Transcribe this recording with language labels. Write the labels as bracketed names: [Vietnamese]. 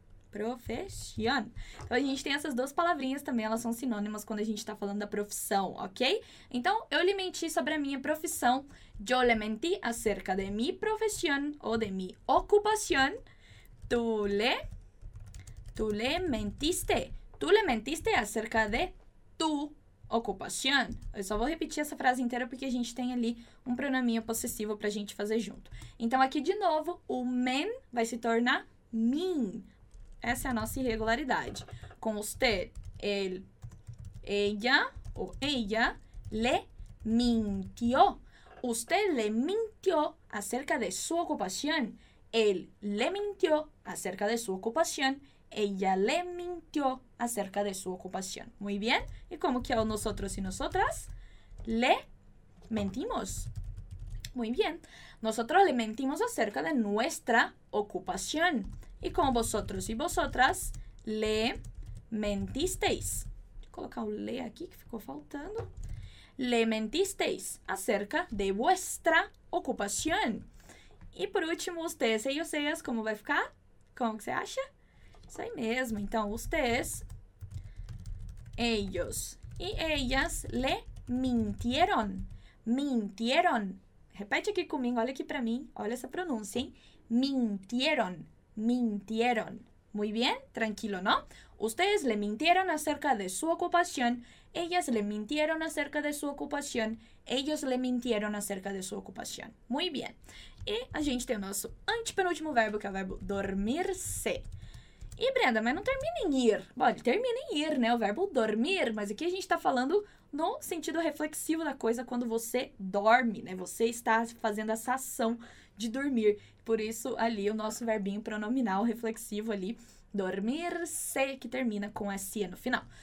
[Portuguese] Profesión. Então, a gente tem essas duas palavrinhas também, elas são sinônimas quando a gente está falando da profissão, ok? Então, eu lhe menti sobre a minha profissão. [Spanish] Yo le mentí acerca de mi profesión ou de mi ocupación. Tú le mentiste. Tú le mentiste acerca de tu ocupación. [Portuguese] Eu só vou repetir essa frase inteira porque a gente tem ali um pronominho possessivo para a gente fazer junto. Então, aqui de novo, o men vai se tornar min. Essa é a nossa irregularidade. [Spanish] Com usted, ele, ella ou ella le mintió. Usted le mintió acerca de su ocupación. Él le mintió acerca de su ocupación. Ella le mintió acerca de su ocupación. Muy bien. ¿Y cómo quedó nosotros y nosotras? Le mentimos. Muy bien. Nosotros le mentimos acerca de nuestra ocupación. Y como vosotros y vosotras le mentisteis. [Portuguese] Vou colocar o le aqui que ficou faltando. [Spanish] Le mentisteis acerca de vuestra ocupación. [Portuguese] E por último, ustedes, ellos, ellas, como vai ficar? Como que você acha? Sei mesmo. [Spanish] Então, ustedes, ellos y ellas le mintieron. Mintieron. [Portuguese] Repete aqui comigo, olha aqui para mim, olha essa pronúncia, hein? [Spanish] Mintieron, mintieron. Muy bien, tranquilo, ¿no? Ustedes le mintieron acerca de su ocupación, ellas le mintieron acerca de su ocupación, ellos le mintieron acerca de su ocupación. Muy bien. [Portuguese] E a gente tem o nosso antepenúltimo verbo, que é o verbo dormir-se. E, Brenda, mas não termina em ir. Bom, ele termina em ir, né? O verbo dormir, mas aqui a gente está falando no sentido reflexivo da coisa, quando você dorme, né? Você está fazendo essa ação de dormir. Por isso, ali, o nosso verbinho pronominal reflexivo ali, dormir-se, que termina com se no final.